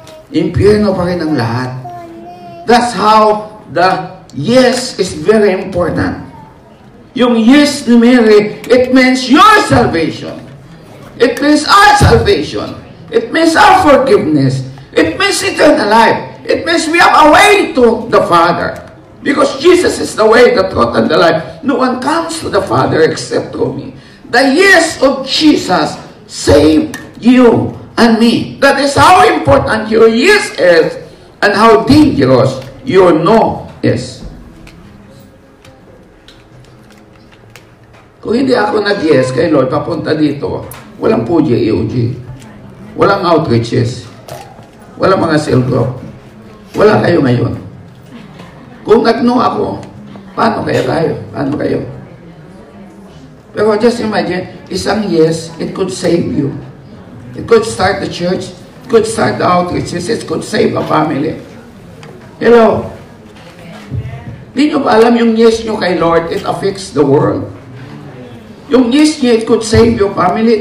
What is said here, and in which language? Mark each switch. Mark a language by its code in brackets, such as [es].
[tl] Impyerno pa rin ang lahat. [en] That's how the yes is very important. [tl] Yung yes ni [en] Mary, it means your salvation. It means our salvation. It means our forgiveness. It means eternal life. It means we have a way to the Father. Because Jesus is the way, the truth, and the life. No one comes to the Father except through me. The yes of Jesus saved you and me. That is how important your yes is and how dangerous your no is. [tl] Kung hindi ako nag-yes kay Lord, papunta dito, walang PTR.Johnny. Walang outreaches. Walang mga cell group. Wala kayo ngayon. Kung nag-no ako, paano kaya tayo? Paano kayo? [en] Pero just imagine, isang yes, it could save you. It could start the church. It could start the outreaches. It could save a family. Hello? [tl] Hindi nyo ba alam yung yes nyo kay Lord, [en] it affects the world. [tl] Yung yes nyo, [en] it could save your family.